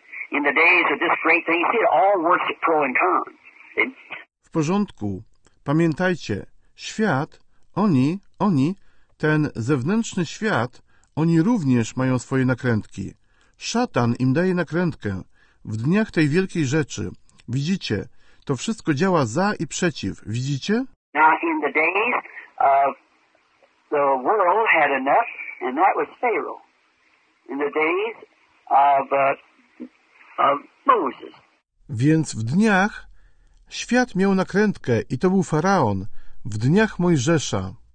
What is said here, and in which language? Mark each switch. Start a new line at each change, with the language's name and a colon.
Polish: In the days of this great thing, see, it all works at pro and con. W porządku. Pamiętajcie, świat, oni, ten zewnętrzny świat, oni również mają swoje nakrętki. Szatan im daje nakrętkę w dniach tej wielkiej rzeczy. Widzicie, to wszystko działa za i przeciw. Widzicie?
English: Now, in the days of the world had a nut, and that was Pharaoh. In the days of Moses.
Polish: Więc w dniach świat miał nakrętkę i to był Faraon w dniach Mojżesza.